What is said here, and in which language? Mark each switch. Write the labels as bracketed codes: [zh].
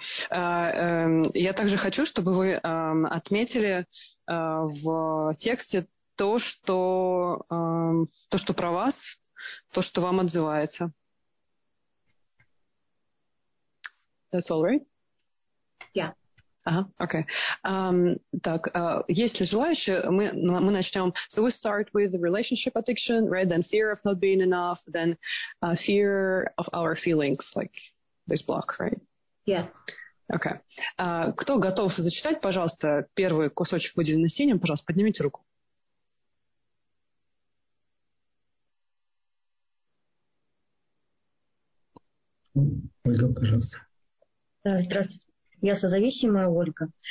[ru] Я также хочу, чтобы вы отметили в тексте то, что про вас, то, что вам отзывается. [en] That's all right? Yeah. [ru] Ага, окей. Так, если желающие, мы начнем. [en] So we start with relationship addiction, right? Then fear of not being enough, then fear of our feelings, like this block, right? Yeah. [ru] Окей. Кто готов зачитать, пожалуйста, первый кусочек, выделенный синим, пожалуйста, поднимите руку. Ольга, пожалуйста. Здравствуйте. Я созависимая Ольга.